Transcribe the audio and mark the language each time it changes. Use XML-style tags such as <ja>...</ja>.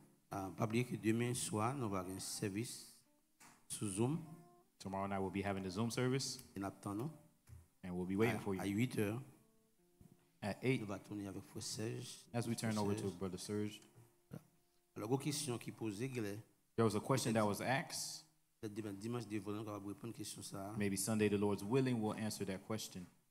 <fr>Pas oublier que demain soir, nous allons avoir un service sur Zoom.</fr> <en>Tomorrow night, we'll be having the Zoom service.</en> <fr>En attendant.</fr> <en>And we'll be waiting for you.</en> <fr>À 8 heures.</fr> <en>At 8.</en> <fr>Nous allons tourner avec Frère Serge.</fr> <en>As we turn over to Brother Serge.</en> <fr>Alors, une question qui posait.</fr> <en>There was a question that was asked.</en> <fr>Dimanche, Dieu voulant, on va répondre à une question ça.</fr> <en>Maybe Sunday, the Lord's willing, we'll answer that question.</en>